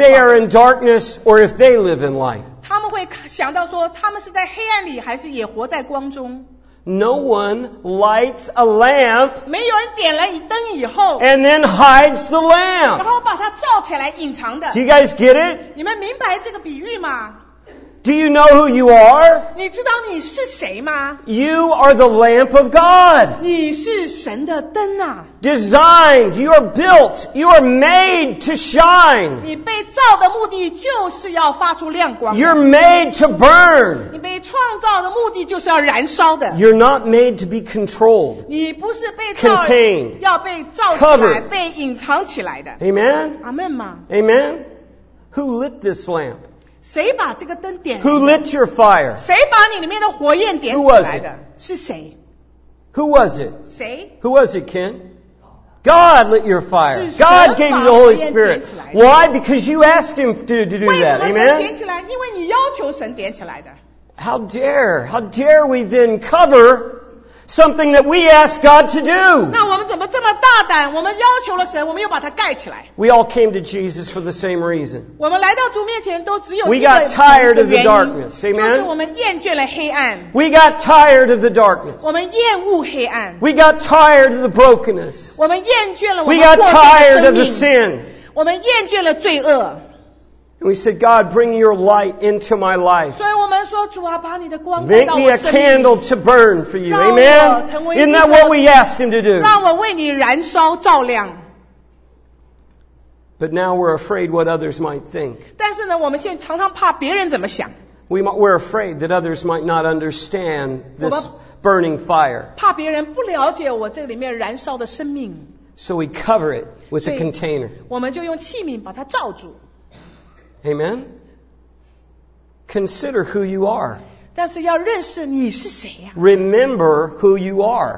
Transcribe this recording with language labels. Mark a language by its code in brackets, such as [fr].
[en] If they are in darkness or if they live in light. [zh] 他们会想到说他们是在黑暗里还是也活在光中。 [en] No one lights a lamp. [zh] 没有人点了一灯以后。 [en] And then hides the lamp. [zh] 然后把它照起来隐藏的。 [en] Do you guys get it? [zh] 你们明白这个比喻吗？ [en] Do you know who you are? [zh] 你知道你是谁吗? [en] You are the lamp of God. [zh] 你是神的灯啊。 [en] Designed, you are built, you are made to shine. [zh] 你被造的目的就是要发出亮光。 [en] You're made to burn. [zh] 你被创造的目的就是要燃烧的。 [en] You're not made to be controlled. [zh] 你不是被造, [en] contained, [zh] 要被造起来, [en] covered, [zh] 被隐藏起来的。 [en] Amen? [zh] Amen 吗? [en] Amen? Who lit this lamp? [zh] 谁把这个灯点 [en] Who lit your fire? [zh] 谁把你里面的火焰点起来的是谁 [en] Who was it? [zh] 谁 [en] Who was it, Ken? God lit your fire. God gave you the Holy Spirit. Why? Because you asked him to do that. Amen? [zh] 为什么神点起来因为你要求神点起来的 [en] How dare we then cover something that we asked God to do? [zh] 那我们怎么这么大胆我们要求了神我们又把它盖起来 [en] We all came to Jesus for the same reason. [zh] 我们来到主面前都只有一个 [en] We got tired of the darkness. Amen? [zh] 就是我们厌倦了黑暗 [en] We got tired of the darkness. [zh] 我们厌恶黑暗 [en] We got tired of the brokenness. [zh] 我们厌倦了我们破碎的生命 [en] We got tired of the sin. [zh] 我们厌倦了罪恶 [en] We said, God, bring your light into my life. [zh] 所以我们说主啊把你的光带到我生命 [en] Make me a candle to burn for you. Amen? Isn't that what we asked him to do? [zh] 让我为你燃烧照亮。 [en] But now we're afraid what others might think. [zh] 但是呢我们现在常常怕别人怎么想。 [en] We're afraid that others might not understand this burning fire. [zh] 怕别人不了解我这里面燃烧的生命。 [en] So we cover it with a container. [zh] 我们就用器皿把它罩住。 [en] Amen? Consider who you are. [zh] 但是要认识你是谁啊? [en] Remember who you are.